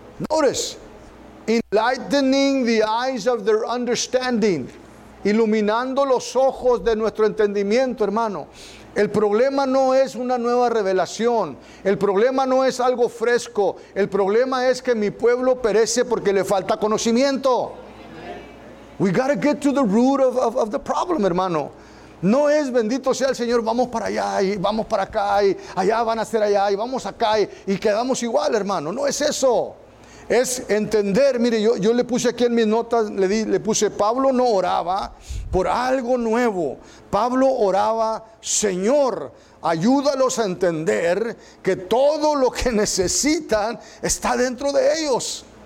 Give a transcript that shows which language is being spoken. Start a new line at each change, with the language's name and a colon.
English: Notice, enlightening the eyes of their understanding,
Spanish: iluminando los ojos de nuestro entendimiento, hermano. El problema no es una nueva revelación, el problema no es algo fresco, el problema es que mi pueblo perece porque le falta conocimiento.
English: We got to get to the root of the problem, hermano.
Spanish: No es: bendito sea el Señor, vamos para allá y vamos para acá y allá van a ser allá y vamos acá y quedamos igual, hermano. No es eso. Es entender, mire, yo le puse aquí en mis notas, le puse, Pablo no oraba por algo nuevo. Pablo oraba: Señor, ayúdalos a entender que todo lo que necesitan está dentro de ellos.